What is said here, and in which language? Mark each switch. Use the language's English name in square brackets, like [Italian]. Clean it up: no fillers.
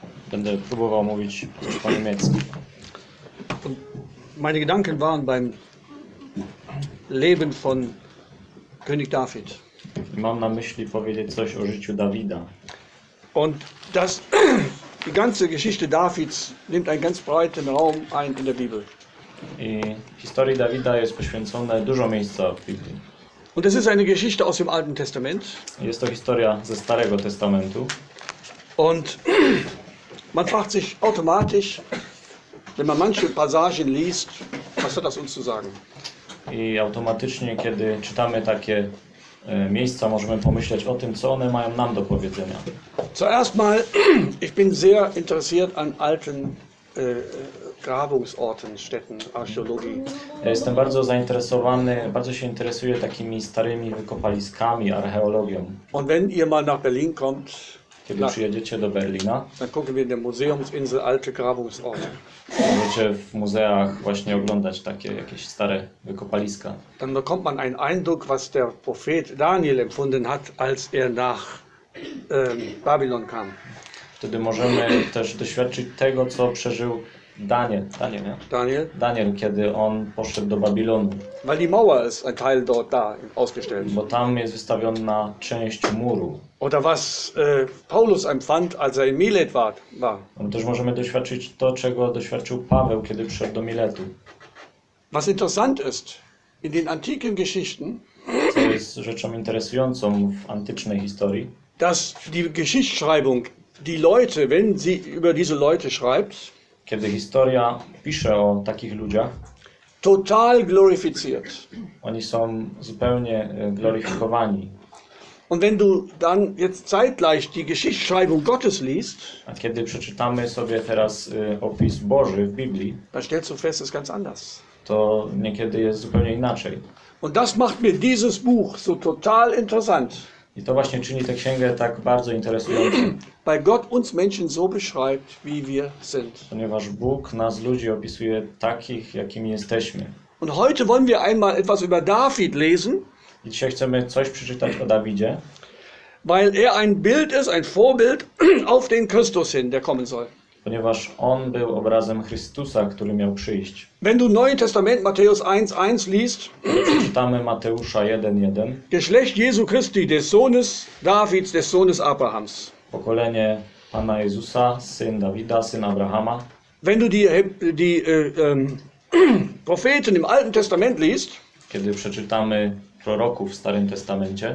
[Polish] Będę próbował mówić po niemiecku. [German] Und meine Gedanken waren beim Leben von König David. [Polish] Mam na myśli powiedzieć coś o życiu Dawida. [German] Und das, die ganze Geschichte Davids nimmt einen ganz breiten Raum ein in der Bibel. [Polish] I historii Dawida jest poświęcone dużo miejsca w Biblii. [German] Und das ist eine Geschichte aus dem Alten Testament. [Polish] Jest to historia ze Starego Testamentu. [German] Und man fragt sich automatisch, wenn man manche Passagen liest, was hat das uns zu sagen? [Polish] I automatycznie, kiedy czytamy takie miejsca, możemy pomyśleć o tym, co one mają nam do powiedzenia. [German] Zuerst mal, ich bin sehr interessiert an alten Grabungsorten, Städten, Archäologie. [Polish] Ja jestem bardzo zainteresowany, bardzo się interesuję takimi starymi wykopaliskami, archeologią. [German] Und wenn ihr mal nach Berlin kommt, [Polish] kiedy przyjedziecie do Berlina, [German] dann gucken wir in der Museumsinsel alte Grabungsorte. [Polish] Możecie w muzeach właśnie oglądać takie jakieś stare wykopaliska. [German] Dann bekommt man einen Eindruck, was der Prophet Daniel empfunden hat, als er nach Babylon kam. [Polish] Wtedy możemy też doświadczyć tego, co przeżył Daniel, kiedy on poszedł do Babilonu. [German] Weil die Mauer ist ein Teil dort da ausgestellt. [Polish] Bo tam jest wystawiona część muru. [German] Oder was Paulus empfand, als er in Milet war. [Polish] Und też możemy doświadczyć to, czego doświadczył Paweł, kiedy przyszedł do Miletu. [German] Was interessant ist, in den antiken Geschichten, [Polish] co jest rzeczą interesującą w antycznej historii, [German] dass die Geschichtsschreibung die Leute, wenn sie über diese Leute schreibt, [Polish] kiedy historia pisze o takich ludziach, [German] total glorifiziert. [Polish] Oni są zupełnie gloryfikowani. [German] Und wenn du dann jetzt zeitgleich die Geschichtsschreibung Gottes liest, [Polish] a kiedy przeczytamy sobie teraz opis Boży w Biblii, [German] dann stellst du fest, es ist ganz anders. [Polish] To niekiedy jest zupełnie inaczej. [German] Und das macht mir dieses Buch so total interessant. [Polish] I to właśnie czyni tę księgę tak bardzo interesującą. [German] Weil Gott uns Menschen so beschreibt, wie wir sind. [Polish] Ponieważ Bóg nas ludzi opisuje takich, jakimi jesteśmy. [German] Und heute wollen wir einmal etwas über David lesen. [Polish] I dzisiaj chcemy coś przeczytać o Dawidzie. [German] Weil er ein Bild ist, ein Vorbild auf den Christus hin, der kommen soll. [Polish] Ponieważ on był obrazem Chrystusa, który miał przyjść. [German] Wenn du Neue Testament Matthäus 1:1 liest, [Polish] czytamy Mateusza 1:1. [German] Geschlecht Jesu Christi, des Sohnes Davids, des Sohnes Abrahams. [Polish] Pokolenie Pana Jezusa, syn Dawida, syn Abrahama. [German] Wenn du die Propheten im Alten Testament liest, [Polish] kiedy przeczytamy proroków w Starym Testamencie,